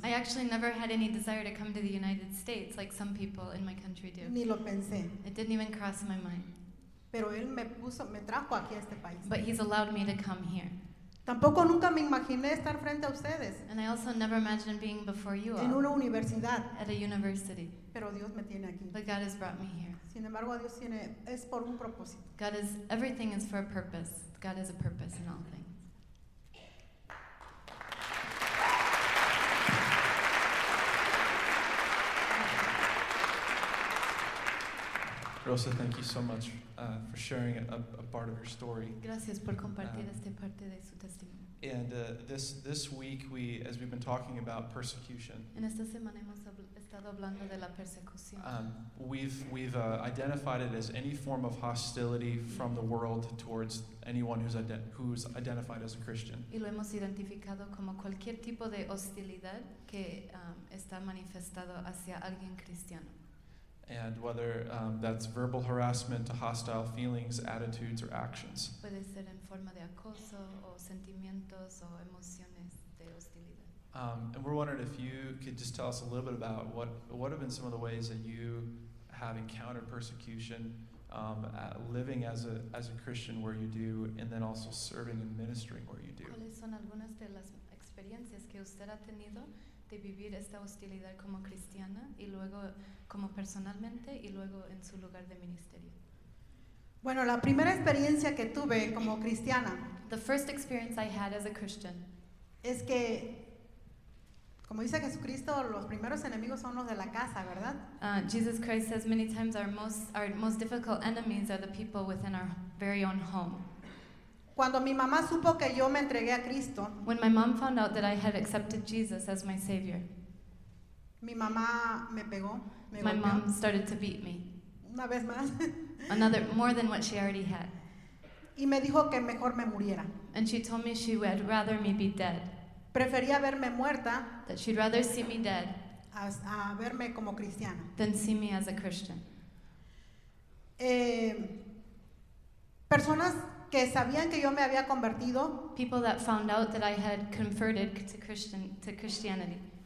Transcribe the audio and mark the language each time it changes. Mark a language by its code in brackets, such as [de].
[en] I actually never had any desire to come to the United States like some people in my country do. [es] Ni lo pensé. [en] It didn't even cross my mind. [es] Pero Él me trajo aquí a este país. [en] But He's allowed me to come here. [es] Tampoco nunca me imaginé estar frente a ustedes. [en] And I also never imagined being before you [es] en una universidad. [en] At a university. [es] Pero Dios me tiene aquí. [en] But God has brought me here. [es] Sin embargo, Dios tiene, es por un propósito. [en] God is, everything is for a purpose. God has a purpose in all things. Rosa, thank you so much for sharing a part of your story. [es] Gracias por compartir esta parte de su testimonio. [en] And this week, as we've been talking about persecution, [es] en esta semana hemos estado hablando de la persecución. [en] We've identified it as any form of hostility from the world towards anyone who's identified as a Christian. [es] Y lo hemos identificado como cualquier tipo de hostilidad que está manifestado hacia alguien cristiano. [en] And whether that's verbal harassment to hostile feelings, attitudes, or actions. [es] Puede ser en forma de acoso o sentimientos o emociones de hostilidad. [en] And we're wondering if you could just tell us a little bit about what have been some of the ways that you have encountered persecution living as a Christian where you do, and then also serving and ministering where you do. [es] ¿Cuáles son algunas de las experiencias que usted ha tenido de vivir esta hostilidad como cristiana y luego como personalmente y luego en su lugar de ministerio? Bueno, la primera experiencia que tuve como cristiana, [en] the first experience I had as a Christian, [es] es que como dice Jesucristo, los primeros enemigos son los de la casa, ¿verdad? [en] Jesus Christ says many times our most difficult enemies are the people within our very own home. [es] Cuando mi mamá supo que yo me entregué a Cristo, [en] when my mom found out that I had accepted Jesus as my Savior, [es] mi mamá me pegó, [en] my mom started to beat me. [es] Una vez más. [en] Another, more than what she already had. [es] Y me dijo que mejor me muriera. [en] And she told me she would rather me be dead. [es] Prefería verme muerta. [en] That she'd rather see me dead. [es] A verme como cristiana. [en] Than see me as a Christian. [es] Personas que sabían que yo me había convertido. [en] People that found out that I had converted to Christianity.